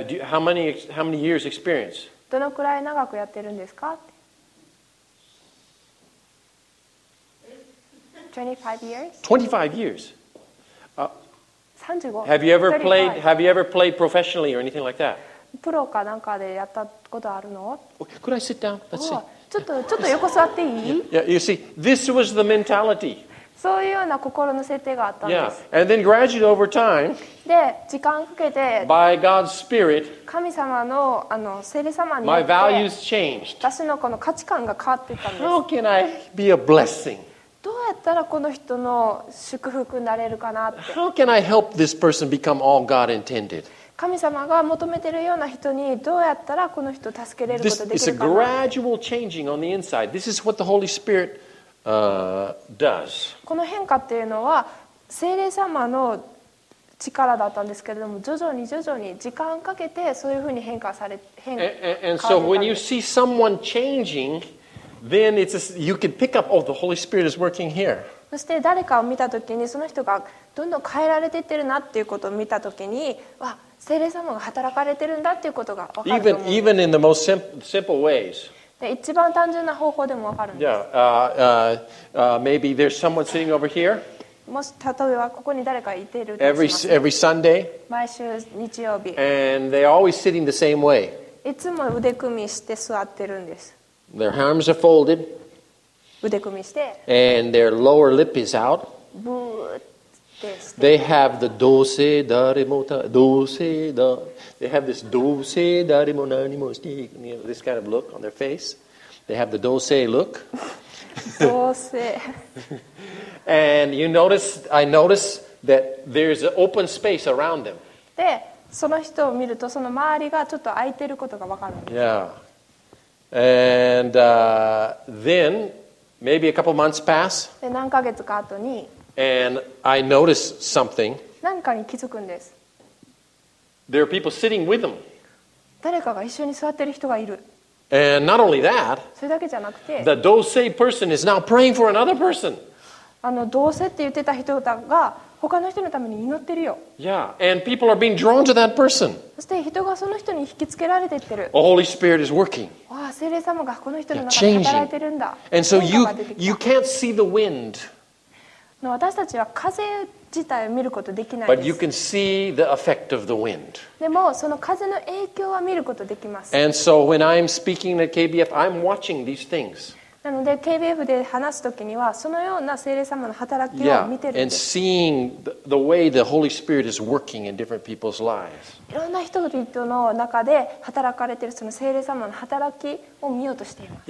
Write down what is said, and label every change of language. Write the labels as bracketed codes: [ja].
[en] How many years experience? [ja] どのくらい長くやってるんですか [en] 25 years. 35. Have you ever played professionally or anything like that? [ja] プロかなんかでやったことあるの? [en] Okay, could I sit down? Let's see. [ja] ちょっと横座っていい? [en] Yeah, you see, this was the mentality. [ja] そういうような心の設定があったんです。 [en] Yeah, and then gradually over time. [ja] で、時間かけて。 [en] By God's Spirit. [ja] 神様のあの聖霊様によって。 [en] My values changed. [ja] 私のこの価値観が変わっていったんです。 [en] How can I be a blessing? [ja] どうやったらこの人の祝福になれるかなって。 [en] How can I help this person become all God intended? [ja] 神様が求めているような人にどうやったらこの人を助けれることができるかな。 [en] This is a gradual changing on the inside. This is what the Holy Spirit, does. [ja] この変化っていうのは聖霊様の力だったんですけれども、徐々に時間かけてそういうふうに変化されたんです。 [en] And so when you see someone changing,Then it's you can pick up. Oh, the Holy Spirit is working here. [ja] そして誰かを見たときに、その人がどんどん変えられていってるなっていうことを見たときに、わ、聖霊様が働かれてるんだっていうことが分かると思う。 [en] Even in the most simple ways. [ja] で、一番単純な方法でも分かるんです。 [en] Yeah, maybe there's someone sitting over here. [ja] もし例えばここに誰かいてるとします。 [en] Every Sunday. [ja] 毎週日曜日。 [en] And they're always sitting the same way. [ja] いつも腕組みして座ってるんです。 [en] Their arms are folded. [ja] 腕組みして。 [en] And their lower lip is out. [ja] ブーってして。 [en] They have the [ja] どうせ誰もた、どうせだ。 [en] They have this [ja] どうせ誰も何もして、 [en] you know, this kind of look on their face. They have the どうせ look. [ja] どうせ。 [en] And you notice, I notice that there's an open space around them. [ja] で、その人を見るとその周りがちょっと空いてることが分かるんです。 [en] Yeah. And then maybe a couple months pass. [ja] で、何ヶ月か後に。 [en] And I notice something. [ja] 何かに気づくんです。 [en] There are people sitting with them. [ja] 誰かが一緒に座ってる人がいる。 [en] And not only that. [ja] それだけじゃなくて。 [en] The dose person is now praying for another person. [ja] あの、どうせって言ってた人が他の人のために祈ってるよ。 [en] Yeah, and people are being drawn to that person. [ja] そして人がその人に引きつけられていってる。 [en] The Holy Spirit is working. [ja] わあ、聖霊様がこの人の中で働いてるんだ。 [en] And so you can't see the wind. [ja] 私たちは風自体を見ることできないです。 [en] But you can see the effect of the wind. [ja] でもその風の影響は見ることできます。 [en] And so when I'm speaking at KBF, I'm watching these things. [ja] なので KBF で話すときにはそのような聖霊様の働きを見てるんです。 [en] Yeah, and seeing the way the Holy Spirit is working in different people's lives. [ja] いろんな人々の中で働かれてるその聖霊様の働きを見ようとしています。